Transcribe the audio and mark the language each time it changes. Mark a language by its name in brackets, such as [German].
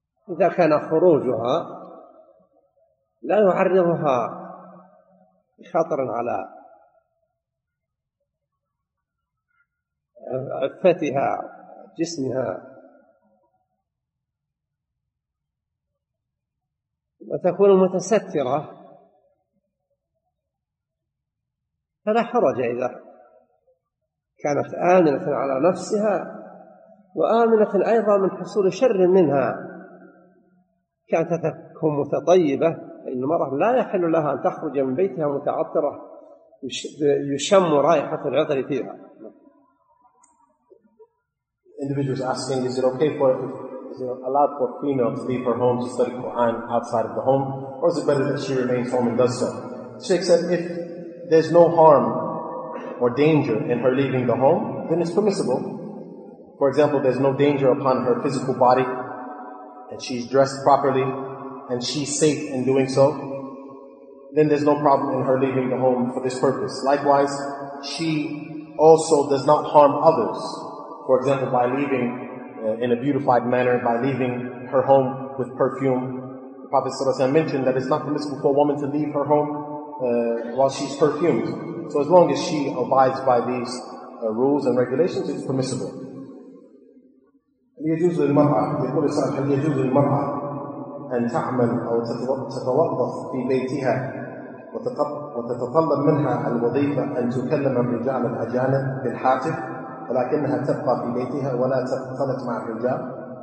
[Arabic] إذا كان خروجها لا يعرضها خطرا على عفتها جسمها، وتكون متسترة، فلا حرج إذا كانت آمنة على نفسها وآمنة أيضا من حصول شر منها. كانت تكون متطيبة، فإن المرأة لا يحل لها أن تخرج من بيتها متعطرة يشم رائحة العطر فيها. [English] The individual is asking, is it okay for, is it allowed for females to leave her home to study Quran outside of the home, or is it better that she remains home and does so? The Shaykh said, if there's no harm or danger in her leaving the home, then it's permissible. For example, there's no danger upon her physical body, and she's dressed properly, and she's safe in doing so, then there's no problem in her leaving the home for this purpose. Likewise, she also does not harm others. For example, by leaving in a beautified manner, by leaving her home with perfume. The Prophet ﷺ mentioned that it's not permissible for a woman to leave her home while she's perfumed. So as long as she abides by these rules and regulations, it's permissible. [Arabic] هل يجوز للمرأة، يقول السائل، هل يجوز للمرأة أن تعمل أو تتوظف في بيتها وتتطلب منها الوظيفة أن تكلم الرجال الأجانب بالهاتف ولكنها تبقى في بيتها ولا تختلط مع الرجال؟